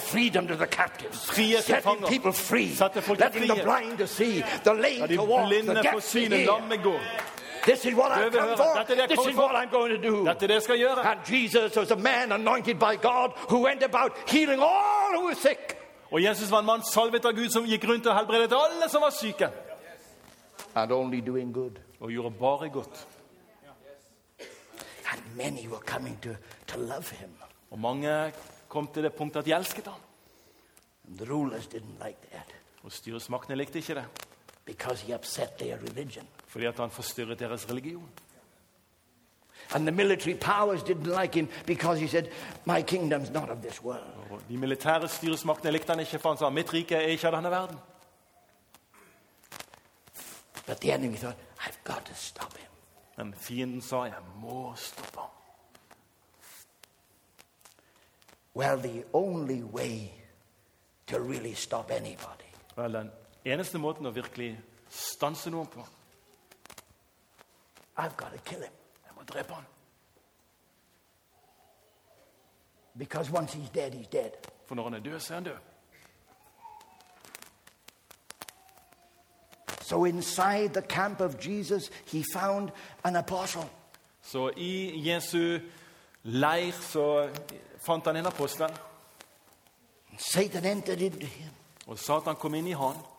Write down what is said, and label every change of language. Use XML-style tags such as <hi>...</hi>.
<en>Of freedom to the captives.</en> <no>Frie til fanger.</no> <en>Setting people free.</en> <no>Sette folk</no> <en>letting</en> <no>frie.</no> <en>The blind to see. The lame to walk. The deaf to hear. This is what I've come for. This is what I'm going to do.</en> <no>Dette det skal gjøre.</no> <en>And Jesus was a man anointed by God who went about healing all who were sick.</en> <no>Og Jesus var en mann salvet av Gud som gikk rundt og helbredet alle som var syke.</no> <en>And only doing good.</en> <no>Og gjorde bare godt.</no> <en>And many were coming to love him.</en> <no>Og mange kom til det punktet at de elsket ham.</no> <en>And the rulers didn't like that.</en> <no>Og styresmaktene likte ikke det.</no> <en>Because he upset their religion.</en> <no>Fordi at han forstyrret deres religion.</no> <en>And the military powers didn't like him because he said, "My kingdom's not of this world."</en> <no>Og de militære styresmaktene likte han ikke, for han sa, "Mitt rike ikke av denne verden."</no> <en>But the enemy thought, "I've got to stop him."</en> <no>And fienden sa, "Jeg må stoppe ham."</no> <en>Well, the only way to really stop anybody.</en> <no>Well, den eneste måten å virkelig stanse noen på.</no> <en>I've got to kill him.</en> <no>Jeg må drepe ham.</no> <en>Because once he's dead, he's dead.</en> <no>For når han død, så han død.</no> <en>So inside the camp of Jesus, he found an apostle.</en> <no>Så I Jesu leir så fant han en apostel.</no> <en>Satan entered into him.</en> <no>Og Satan kom inn I han.</no>